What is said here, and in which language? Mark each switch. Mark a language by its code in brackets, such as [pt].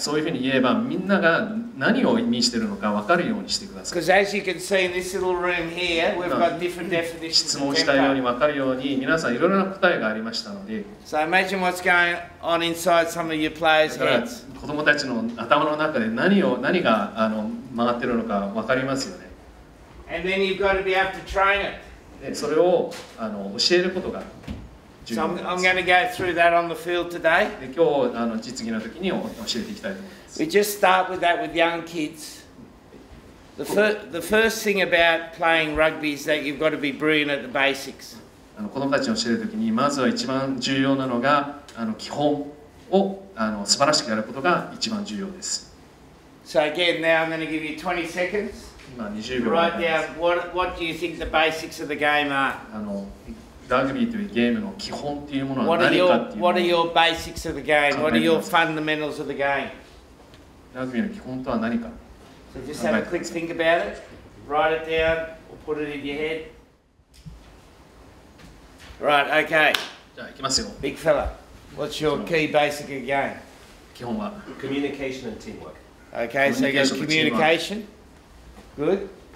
[ja] そういうふうに言えば、みんなが何を意味しているのか分かるようにしてください。 [en] Because as you can see in this little room here, we've got different definitions. [ja] 質問したように分かるように、皆さんいろいろな答えがありましたので。 [en] So imagine what's going on inside some of your players' heads. [ja] 子供たちの頭の中で何が回っているのか分かりますよね。 [en] And then you've got to be able to train it. [ja] で、それを教えることが。 [en] So I'm going to go through that on the field today. [ja] で、今日実技の時に教えていきたいと思います。 [en] We just start with that with young kids. The first thing about playing rugby is that you've got to be brilliant at the basics. [ja] 子供たちを教える時にまずは一番重要なのが基本を素晴らしくやることが一番重要です。 [en] So again, now I'm going to give you 20 seconds. [ja] 今20秒。 [en] Write down what do you think the basics of the game are? [ja] ラグビーというゲームの基本というものは何かというのを [en] What are your basics of the game? What are your fundamentals of the game? [ja] ラグビーの基本とは何か [en] So just have a quick think about it. Write it down or put it in your head. Right, okay. [ja] じゃあ行きますよ。 [en] Big fella, what's your key basic of the game? [ja] 基本は [en] Communication and teamwork. Okay, so you got communication. Good.